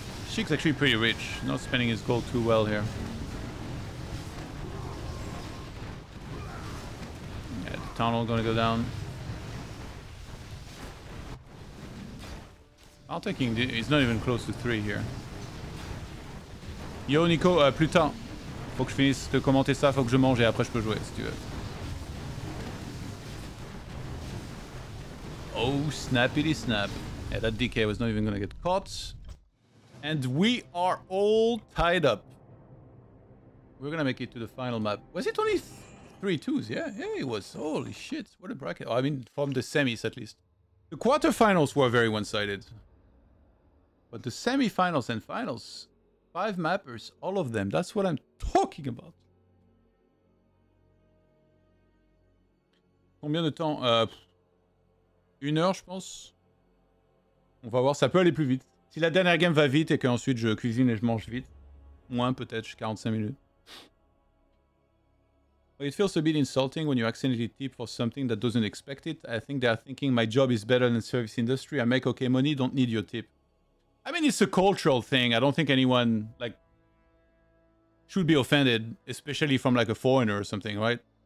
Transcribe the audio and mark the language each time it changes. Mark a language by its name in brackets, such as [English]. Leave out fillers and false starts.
[English] Sheik's actually pretty rich, not spending his gold too well here. Yeah, the tunnel gonna go down. I'm taking the, he's not even close to three here. [French] Yo Nico, plus tard. Faut que je finisse de commenter ça, faut que je mange et après je peux jouer si tu veux. [English] Oh snappity snap. Yeah, that DK was not even gonna get caught. And we are all tied up. We're gonna make it to the final map. Was it only three twos? Yeah, it was. Holy shit, what a bracket. Oh, I mean, from the semis at least. The quarterfinals were very one-sided. But the semifinals and finals, five mappers, all of them. That's what I'm talking about. [French] Combien de temps? Une heure, je pense. On va voir, ça peut aller plus vite. Si la dernière game va vite et qu'ensuite je cuisine et je mange vite, moins peut-être 45 minutes. [English] It feels a bit insulting when you accidentally tip for something that doesn't expect it. I think they are thinking my job is better than service industry. I make okay money, don't need your tip. I mean, it's a cultural thing. I don't think anyone like should be offended, especially from like a foreigner or something, right?